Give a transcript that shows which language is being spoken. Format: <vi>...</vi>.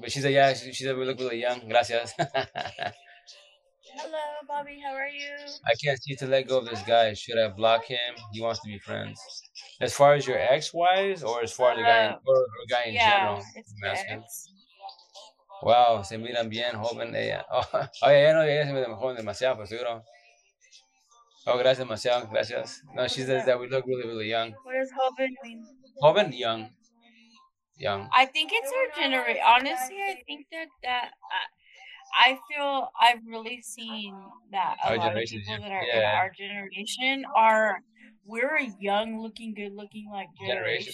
<en>But she's a, yeah, she's a really, really young.</en> <es>Gracias.</es> <en>Hello, Bobby, how are you? I can't seem to let go of this guy. Should I block him? He wants to be friends. As far as your ex-wise, or as far as the guy in general? Yeah, it's</en> <es>Wow, se miran bien, joven ella. Oh, yeah, no, ella se mira joven demasiado, por seguro. Oh, gracias, demasiado, gracias.</es> <en>No, she says that we look really, really young. What does joven mean? Joven, young. Young. I think it's our generation. Honestly, I think that I feel I've really seen that a our lot generation of people that are in our generation are, we're a young looking, good looking, like, generation.</en>